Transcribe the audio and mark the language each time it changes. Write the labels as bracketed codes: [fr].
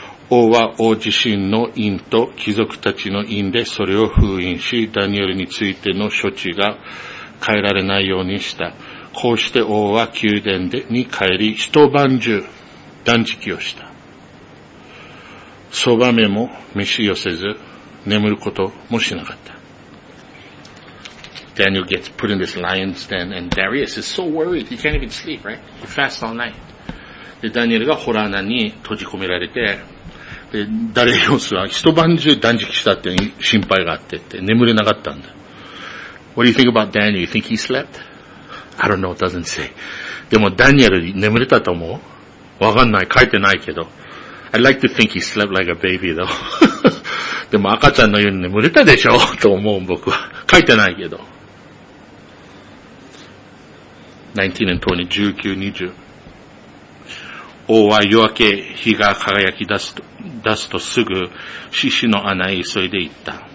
[ja] 王は王自身の印と貴族たちの印でそれを封印し、ダニエルについての処置が変えられないようにした。こうして王は宮殿に帰り、一晩中断食をした。そばめも飯をせず、眠ることもしなかった。 [en] Daniel gets put in this lion's den and Darius is so worried he can't even sleep, right? He fasts all night. [ja] で、ダニエルがホラー穴に閉じ込められて、ダリアスは一晩中断食したって心配があって、眠れなかったんだ。 [en] What do you think about Daniel? You think he slept? I don't know, it doesn't say. [ja] でもダニエル眠れたと思う?わかんない、書いてないけど。 [en] I'd like to think he slept like a baby though. [ja] でも赤ちゃんのように眠れたでしょ? と思う僕は。書いてないけど。 19:20。王は夜明け、日が輝き出すとすぐ、獅子の穴へ急いで行った。